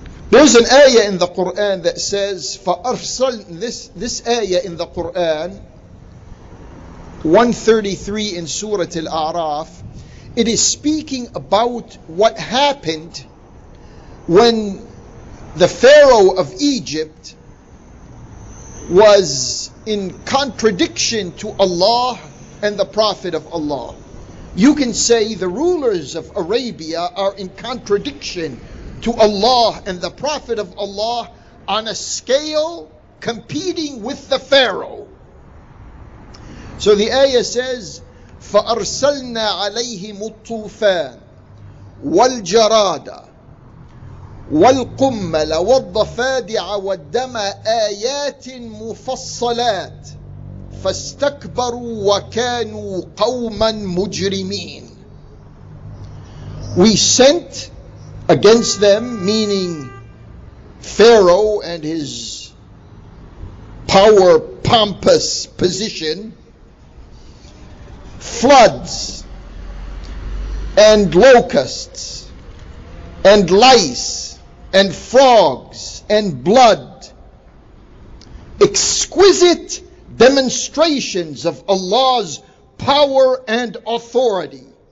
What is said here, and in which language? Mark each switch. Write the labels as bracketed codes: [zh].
[en] There's an ayah in the Quran that says, this ayah in the Quran, 133 in Surah Al-A'raf, it is speaking about what happened when the Pharaoh of Egypt was in contradiction to Allah and the Prophet of Allah. You can say the rulers of Arabia are in contradiction to Allah and the Prophet of Allah on a scale competing with the Pharaoh. [ar] So the ayah says, فَأَرْسَلْنَا عَلَيْهِمُ الطُّوفَانَ وَالْجَرَادَ وَالْقُمَّلَ وَالضَّفَادِعَ وَالدَّمَ آيَاتٍ مُفَصَّلَاتٍ فَاسْتَكْبَرُوا وَكَانُوا قَوْمًا مُجْرِمِينَ. [en] We sent against them, meaning Pharaoh and his power pompous position, floods and locusts and lice and frogs and blood, exquisite demonstrations of Allah's power and authority.